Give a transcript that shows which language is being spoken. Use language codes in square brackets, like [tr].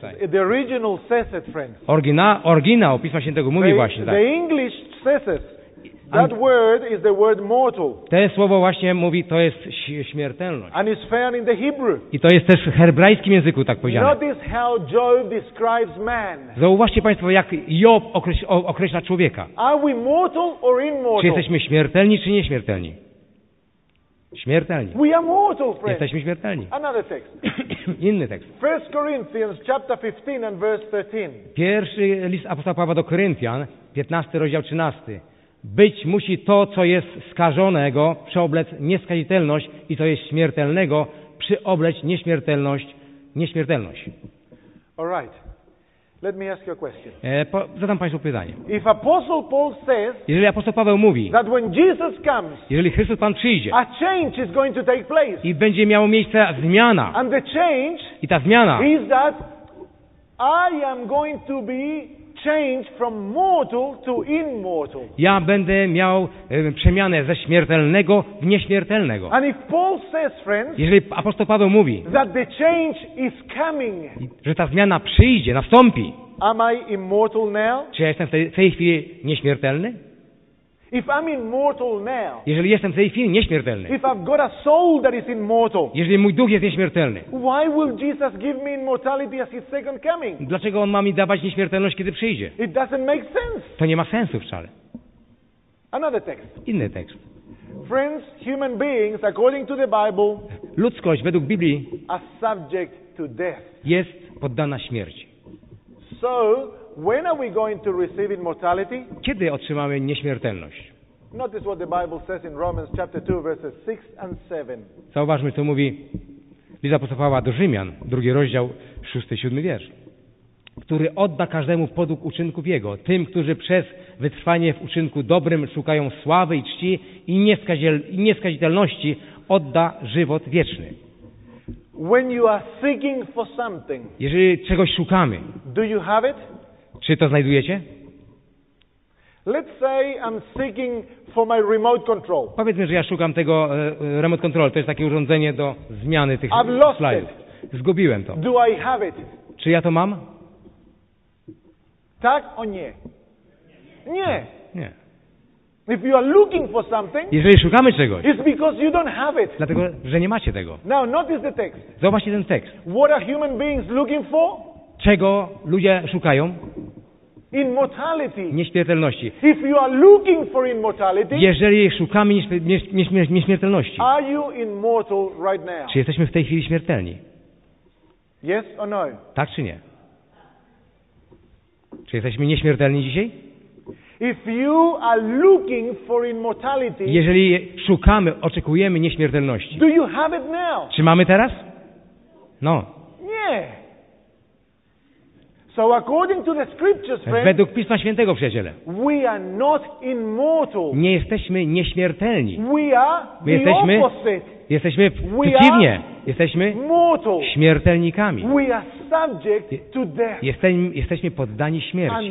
[en] The original says it, friends. [pl] Oryginał Pisma Świętego mówi właśnie tak. [en] The English says it. That word is the word mortal. [pl] Te słowo właśnie mówi, to jest śmiertelność. [en] And it's found in the Hebrew. [pl] I to jest też w hebrajskim języku tak powiedziane. [en] Notice how Job describes man. [pl] Zauważcie Państwo, jak Job określa człowieka. [en] Are we mortal or immortal? [pl] Czy jesteśmy śmiertelni, czy nieśmiertelni? Śmiertelni. [en] We are mortal, friends. [pl] Jesteśmy śmiertelni. [en] Another text. [pl] Inny tekst. [en] 1 Corinthians chapter 15 and verse 13. [pl] Pierwszy list apostoła Pawła do Koryntian, 15 rozdział 13. Być musi to, co jest skażonego, przeoblec nieskazitelność i co jest śmiertelnego, przyobleć nieśmiertelność, nieśmiertelność. [en] All right. Let me ask you a question. [pl] Zadam Państwu pytanie. [en] If Apostle Paul says, [pl] jeżeli apostoł Paweł mówi, [en] that when Jesus comes, [pl] jeżeli Chrystus Pan przyjdzie, [en] a change is going to take place, [pl] i będzie miało miejsce zmiana, [en] and the change, [pl] i ta zmiana, [en] is that I am going to be change from mortal to immortal. [pl] Ja będę miał przemianę ze śmiertelnego w nieśmiertelnego. [en] And if Paul says, friends, [pl] jeżeli apostoł Paweł mówi, [en] that the change is coming, [pl] że ta zmiana przyjdzie, nastąpi, [en] am I immortal now? [pl] Czy ja jestem w tej chwili nieśmiertelny? [en] If I'm immortal now, [pl] jeżeli jestem w tej chwili nieśmiertelny, [en] if I've got a soul that is immortal, [pl] jeżeli mój duch jest nieśmiertelny, [en] why will Jesus give me immortality at his second coming? [pl] Dlaczego On ma mi dawać nieśmiertelność, kiedy przyjdzie? [en] It doesn't make sense. [pl] To nie ma sensu wcale. [en] Another text. [pl] Inny tekst. [en] Friends, human beings, according to the Bible, [pl] ludzkość według Biblii, [en] are subject to death. [pl] Jest poddana śmierci. [en] So, when are we going to receive immortality? [pl] Kiedy otrzymamy nieśmiertelność? [en] Notice what the Bible says in Romans chapter 2 verses 6 and 7. [pl] Zauważmy, co mówi list apostoła Pawła do Rzymian, drugi rozdział, 6-7 wiersz, który odda każdemu podług uczynków jego, tym, którzy przez wytrwanie w uczynku dobrym szukają sławy i czci i nieskazitelności, odda żywot wieczny. [en] When you are seeking for something, [pl] jeżeli czegoś szukamy, [en] do you have it? [pl] Czy to znajdujecie? [en] Let's say I'm seeking for my remote control. [pl] Powiedzmy, że ja szukam tego remote control. To jest takie urządzenie do zmiany tych [en] I've lost [pl] slajdów. [en] It. [pl] Zgubiłem to. [en] Do I have it? [pl] Czy ja to mam? Tak o nie. Nie. Nie. [en] If you are looking for something, [pl] jeżeli szukamy czegoś, [en] it's because you don't have it. [pl] Dlatego, że nie macie tego. [en] Now notice the text. [pl] Zobaczcie ten tekst. [en] What are human beings looking for? [pl] Czego ludzie szukają? [en] Immortality. [pl] Nieśmiertelności. [en] If you are looking for immortality, [pl] jeżeli szukamy nieśmiertelności, [en] are you immortal right now? [pl] Czy jesteśmy w tej chwili śmiertelni? [en] Yes or no? [pl] Tak czy nie? Czy jesteśmy nieśmiertelni dzisiaj? [en] If you are looking for immortality, [pl] jeżeli szukamy, oczekujemy nieśmiertelności, [en] do you have it now? [pl] Czy mamy teraz? No. Nie. [en] So according to the scriptures, friend, [pl] według Pisma Świętego, przyjaciele, [en] we are not immortal. [pl] Nie jesteśmy nieśmiertelni. [en] We are the [pl] jesteśmy, [en] opposite. [pl] Jesteśmy przeciwnie. Jesteśmy [en] mortal. [pl] Śmiertelnikami. [en] We are subject to death. [pl] Jesteśmy poddani śmierci.